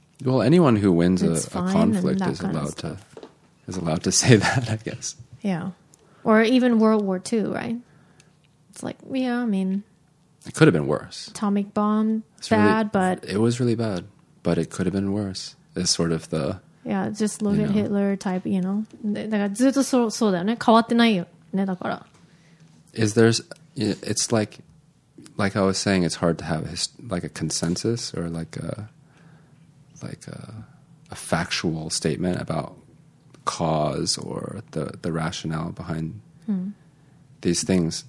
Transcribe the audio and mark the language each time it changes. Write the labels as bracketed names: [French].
[English] Well, anyone who wins a conflict is allowed to say that, I guess. Yeah. Or even World War II, right? It's like, yeah, I mean. It could have been worse. Atomic bomb, it's bad, really, but. It was really bad, but it could have been worse. It's sort of the. Yeah, just look at Hitler type, you know. [Japanese] だからずっとそうだよね。変わってないよね、だから。 [English] Is there... It's like I was saying, it's hard to have like a consensus or like a factual statement about cause or the rationale behind、 hmm. these things.